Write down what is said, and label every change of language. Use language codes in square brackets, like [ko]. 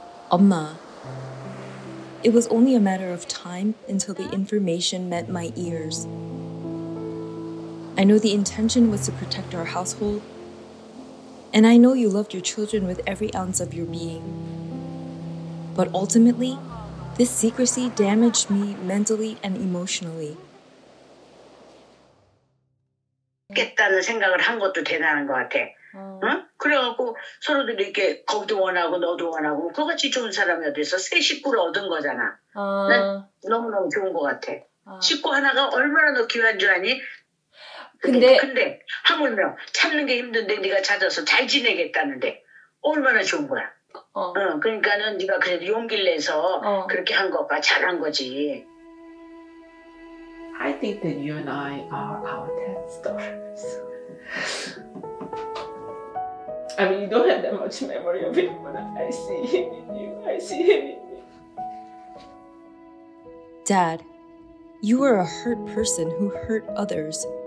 [en] Amma, it was only a matter of time until the information met my ears. I know the intention was to protect our household, And I know you loved your children with every ounce of your being. But ultimately, this secrecy damaged me mentally and emotionally. [ko] 깼다는 생각을 한 것도 대단한 것 같아. 응? 그래갖고 서로들이 이렇게 거기도 원하고 너도 원하고 그같이 좋은 사람이 어디서 새 식구를 얻은 거잖아. 너무너무 좋은 것 같아. 식구 하나가 얼마나 더 귀한 줄 아니? 근데 하물며 참는 게 힘든데 네가 찾아서 잘 지내겠다는데 얼마나 좋은 거야. 그러니까는 네가 그래도 용기를 내서 그렇게 한 것과 잘한 거지. [en] I think that you and I are our dad's daughters. I mean, you don't have that much memory of him, but I see him in you. I see him in me. Dad, you were a hurt person who hurt others.